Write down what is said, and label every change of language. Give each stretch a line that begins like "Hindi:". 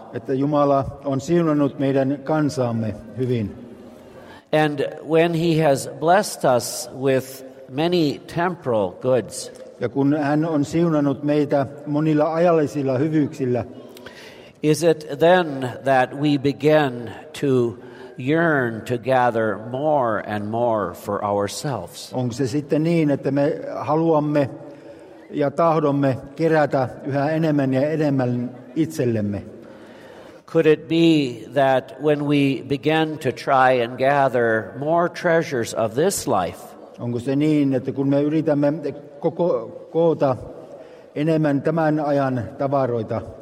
Finnish: Että Jumala on siunannut meidän kansaamme hyvin.
English: And when he has blessed us with many temporal goods,
Finnish: ja kun hän on siunannut meitä monilla ajallisilla hyvyyksillä,
English: is it then that we begin to yearn to gather more and more for ourselves?
Finnish: Onko se sitten niin, että me haluamme ja tahdomme kerätä yhä enemmän ja enemmän itsellemme.
English: Could it be that when we begin to try and gather more treasures of this life,
Finnish: onko se niin, että kun me yritämme koota enemmän tämän ajan tavaroita,